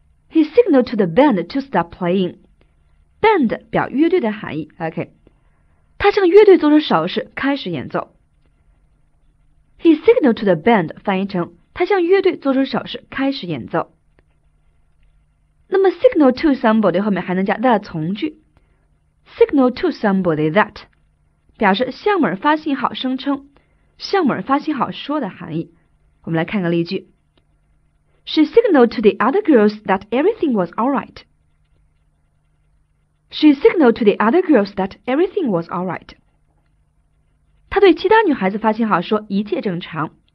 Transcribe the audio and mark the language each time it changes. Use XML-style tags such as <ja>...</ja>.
<en>He signaled to the band to stop playing。</en> <zh>band 表乐队的含义。 OK， 他向乐队做出手势，开始演奏。</zh> <en>He signaled to the band 翻译成。</en> <zh>他向乐队做出手势，开始演奏。那么 signal to somebody 后面还能加 that 从句 ，signal to somebody that 表示向某人发信号，声称向某人发信号说的含义。我们来看个例句</zh> <en>：She signaled to the other girls that everything was all right. She signaled to the other girls that everything was all right.</en> <zh>她对其他女孩子发信号说一切正常。</zh>